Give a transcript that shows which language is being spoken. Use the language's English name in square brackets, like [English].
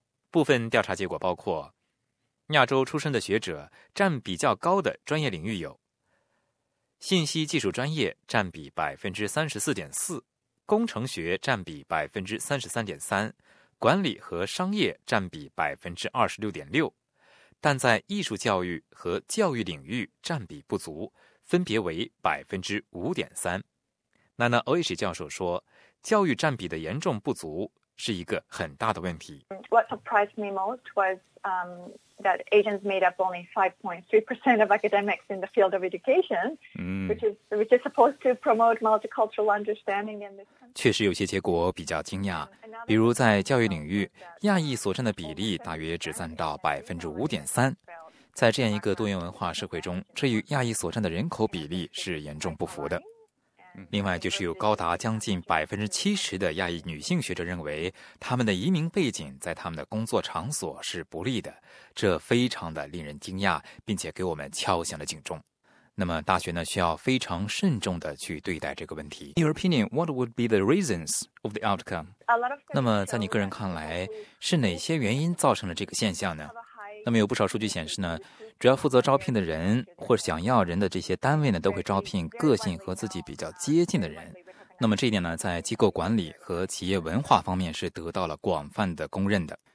[Chinese] 部分调查结果包括，亚洲出身的学者占比较高的专业领域有信息技术专业占比 34.4%， 工程学占比 33.3%， 管理和商业占比 26.6%，但在艺术教育和教育领域占比不足，分别为 5.3%。 Nana Oishi 教授说，教育占比的严重不足是一个很大的问题。 [English] What surprised me most was that Asians made up only 5.3% of academics in the field of education, which is supposed to promote multicultural understanding in this country. [Chinese] 确实有些结果比较惊讶，比如在教育领域，亚裔所占的比例大约只占到 5.3%。在这样一个多元文化社会中，这与亚裔所占的人口比例是严重不符的。另外就是有高达将近 70% 的亚裔女性学者认为，他们的移民背景在他们的工作场所是不利的，这非常的令人惊讶，并且给我们敲响了警钟。那么大学呢，需要非常慎重的去对待这个问题。 [English] Your opinion, what would be the reasons of the outcome? [Chinese] 那么在你个人看来，是哪些原因造成了这个现象呢？那么有不少数据显示呢，主要负责招聘的人或想要人的这些单位呢，都会招聘个性和自己比较接近的人。那么这一点呢，在机构管理和企业文化方面是得到了广泛的公认的。